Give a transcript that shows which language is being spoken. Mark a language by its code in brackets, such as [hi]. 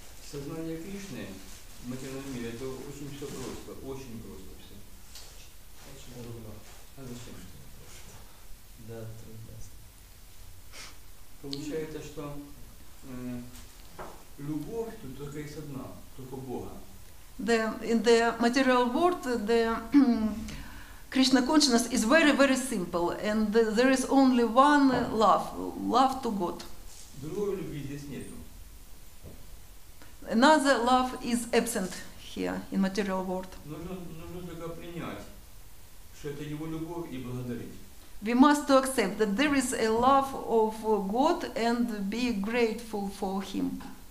[ru] Сознание Кришны в материальном мире это очень все просто, очень просто все. А зачем? Да, трудно. Получается, что любовь тут только есть одна, только Бога. [en] The in the material world the Krishna consciousness is very very simple and there is only one love to God. [ru] Другой любви здесь нету. [en] Another love is absent here in material world. [ru] Нужно только принять, что это его любовь и благодарить. [en] We must to accept that there is a love of God and be grateful for him.